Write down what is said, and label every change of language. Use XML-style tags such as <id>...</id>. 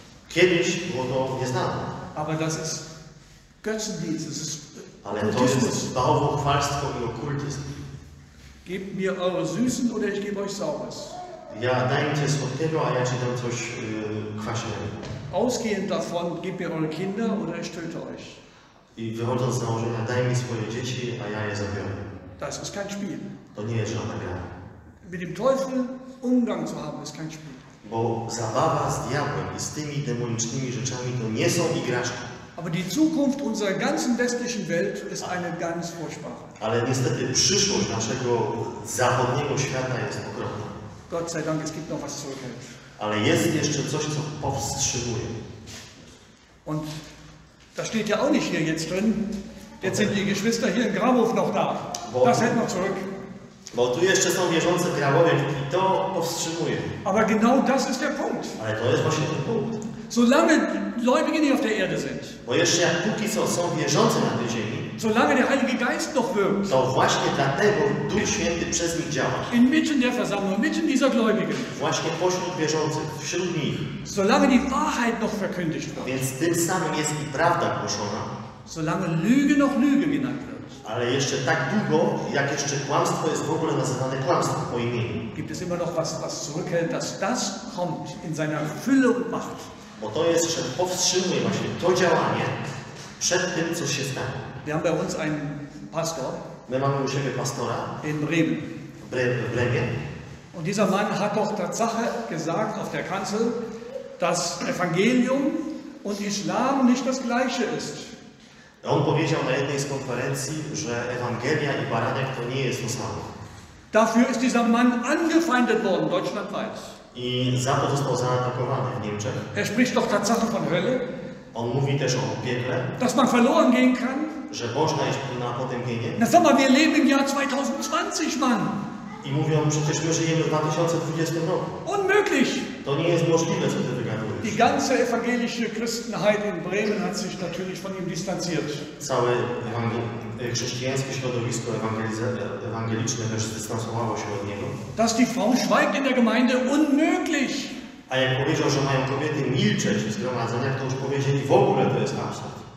<pl>Kiedyś było to nieznane.</pl> <de>Aber das ist Götzendienst, das ist</de> <pl>ale to jest bałwochwalstwo i okultyzm.</pl> <de>Gebt mir eure Süßen oder ich gebe euch Saures.</de> <pl>Ja, dajcie słodkiego, a ja ci dam coś kwaśnego.</pl> <de>Ausgehend davon, gebt mir eure Kinder oder ich töte euch.</de> <pl>I wychodząc z założenia, daj mi swoje dzieci, a ja je zabiorę.</pl> <de>Das ist kein Spiel.</de> <pl>To nie jest żadna gra.</pl> <de>Mit dem Teufel Umgang zu haben, ist kein Spiel.</de> <pl>Bo zabawa z diabłem i z tymi demonicznymi rzeczami to nie są igraszki.</pl> <de>Aber die Zukunft unserer ganzen westlichen Welt ist eine ganz furchtbare.</de> <pl>Ale niestety przyszłość naszego zachodniego świata jest okropna.</pl> <de>Gott sei Dank, es gibt noch was zurückhält.</de> <pl>Ale jest jeszcze coś, co powstrzymuje.</pl> <de>Und das steht ja auch nicht hier jetzt drin. Jetzt sind die Geschwister hier in Grabow noch da. Das hält noch zurück.</de> <pl>Bo tu jeszcze są wierzące Grabowie i to powstrzymuje.</pl> <de>Aber genau das ist der Punkt.</de> <pl>Ale to jest właśnie ten punkt.</pl> <de>Solange Gläubige nicht auf der Erde sind.</de> <pl>Bo jeszcze jak póki co są wierzące na tej ziemi.</pl> <de>Solange der Heilige Geist noch wirkt.</de> <pl>To właśnie dlatego Duch Święty przez nich działa.</pl> <de>Inmitten der Versammlung, mitten dieser Gläubigen.</de> <pl>Właśnie pośród wierzących, wśród nich.</pl> <de>Solange die Wahrheit noch verkündigt wird.</de> <pl>Więc tym samym jest i prawda głoszona.</pl> <de>Solange Lüge noch Lüge genannt wird.</de> <pl>Ale jeszcze tak długo, jak jeszcze kłamstwo jest w ogóle nazywane kłamstwem po imieniu.</pl> <de>Gibt es immer noch was, was zurückhält, dass das kommt in seiner Fülle und Macht.</de> <pl>Bo to jest, że powstrzymuje właśnie to działanie przed tym, co się stanie.</pl> <de>Wir haben bei uns einen Pastor.</de> <pl>My mamy u siebie pastora.</pl> <de>In Bremen.</de> <pl>W Bremie.</pl> <de>Und dieser Mann hat doch Tatsache gesagt auf der Kanzel, dass Evangelium und Islam nicht das gleiche ist.</de> <pl>On powiedział na jednej z konferencji, że Ewangelia i baranek to nie jest to samo.</pl> <de>Dafür ist dieser Mann angefeindet worden, deutschlandweit.</de> <pl>I za to został zaatakowany w Niemczech.</pl> <de>Er spricht doch Tatsache von Hölle.</de> <pl>On mówi też o piekle.</pl> <de>Dass man verloren gehen kann.</de> <pl>Że można iść na potępienie.</pl> <de>Na sama, wir leben im Jahr 2020, Mann.</de> <pl>I mówią, przecież my żyjemy w 2020 roku.</pl> <de>Unmöglich.</de> <pl>To nie jest możliwe, co ty wygadujesz.</pl> <de>Die ganze evangelische Christenheit in Bremen hat sich natürlich von ihm distanziert.</de> <pl>Całe chrześcijańskie środowisko ewangeliczne też zdystansowało się od niego.</pl> <de>Dass die Frau schweigt in der Gemeinde, unmöglich.</de> <pl>A jak powiedział, że mają kobiety milczeć w zgromadzeniach, to już powiedzieli, w ogóle to jest absurd.</pl>